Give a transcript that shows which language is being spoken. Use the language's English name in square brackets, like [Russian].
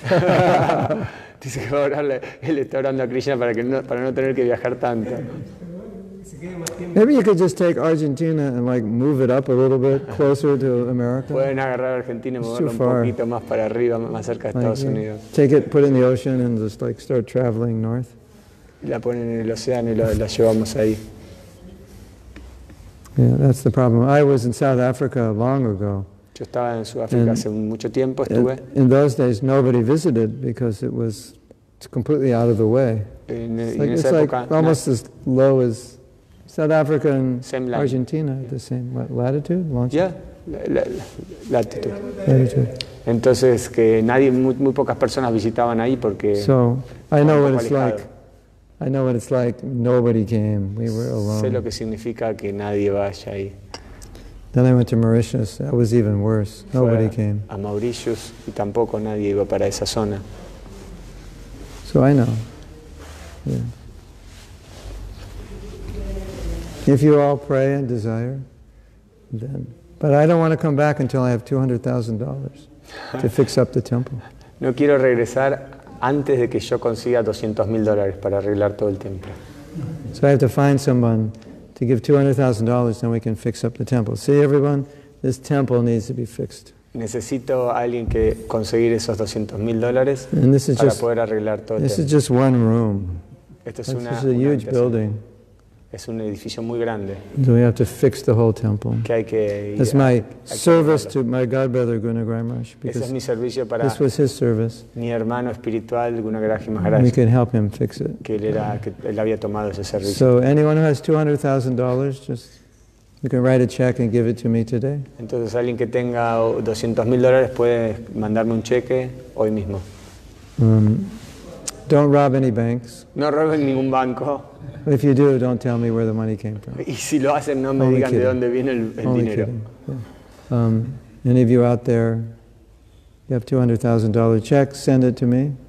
[Spanish] Dice que orarle, él está orando a Krishna para no tener que viajar tanto. [English] Maybe you could just take Argentina and like move it up a little bit closer to America. [Spanish] Pueden agarrar Argentina y moverlo un poquito más para arriba, más cerca de Estados Unidos. [English] Take it, put it in the ocean, and just like start traveling north. [Spanish] La ponen en el océano y la llevamos ahí. [English] Yeah, that's the problem. I was in South Africa long ago. [Spanish] Yo estaba en Sudáfrica hace mucho tiempo, estuve. [English] In those days, nobody visited because it was completely out of the way. It's like almost as low as South Africa and Argentina, the same latitude, longitude. Yeah, latitude. Latitude. [Spanish] Entonces que nadie, muy pocas personas visitaban ahí porque. [English] So I know what it's like. I know what it's like. Nobody came. We were alone. [Spanish] Sé lo que significa que nadie vaya ahí. [English] Then I went to Mauritius. That was even worse. Nobody came. [Spanish] A Mauritius y tampoco nadie iba para esa zona. [English] So I know. Yeah. If you all pray and desire, then. But I don't want to come back until I have $200,000 to fix up the temple. [Spanish] No quiero regresar antes de que yo consiga $200,000 para arreglar todo el templo. [English] So I have to find someone to give $200,000, then we can fix up the temple. See, everyone, this temple needs to be fixed. [Spanish] Necesito a alguien que conseguir esos $200,000 para poder arreglar todo el templo. [English] This is just one room. [Spanish] Esto es [English] this is a huge building. [Spanish] Es un edificio muy grande. [English] So we have to fix the whole temple. That's my service to my godbrother Gunagrahi Maharaj. [Spanish] Es mi servicio para [English] this was his service. [Spanish] Mi hermano espiritual Gunagrahi Maharaj. [English] We can help him fix it. [Spanish] Que él era, que él había tomado ese servicio. [English] So anyone who has $200,000, just you can write a check and give it to me today. [Spanish] Entonces alguien que tenga $200,000 puede mandarme un cheque hoy mismo. [English] Don't rob any banks. [Spanish] No roben ningún banco. [English] If you do, don't tell me where the money came from. [Spanish] Y si lo hacen, no me [English] only [Spanish] digan [English] kidding. [Spanish] De dónde viene el [English] only [Spanish] dinero. [English] Kidding. Yeah. Any of you out there, you have $200,000 check, send it to me.